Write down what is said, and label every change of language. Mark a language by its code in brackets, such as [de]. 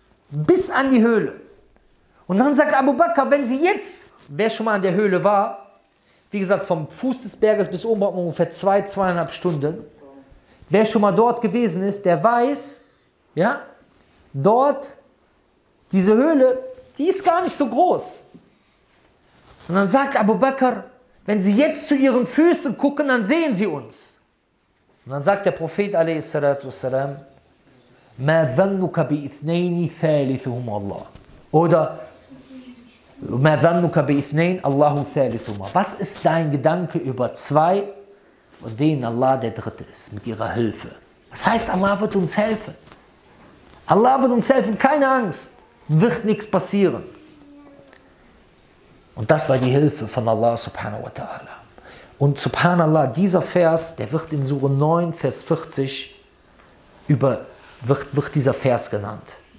[de] Bis an die Höhle. Und dann sagt Abu Bakr, wenn sie jetzt, wer schon mal an der Höhle war, wie gesagt, vom Fuß des Berges bis oben braucht man ungefähr 2, 2,5 Stunden, wer schon mal dort gewesen ist, der weiß, ja, dort, diese Höhle, die ist gar nicht so groß. Und dann sagt Abu Bakr, wenn sie jetzt zu ihren Füßen gucken, dann sehen sie uns. Und dann sagt der Prophet a.s., [ar] مَا ذَنُّكَ بِإِثْنَيْنِ ثَالِثُهُمَ اللَّهُ [de] oder [ar] مَا ذَنُّكَ بِإِثْنَيْنِ اللَّهُ ثَالِثُهُمَ. [de] Was ist dein Gedanke über 2, von denen Allah der Dritte ist, mit ihrer Hilfe? Das heißt, Allah wird uns helfen. Allah wird uns helfen, keine Angst, wird nichts passieren. Und das war die Hilfe von Allah subhanahu wa ta'ala. Und subhanallah, dieser Vers, der wird in Surah 9, Vers 40 über wird dieser Vers genannt.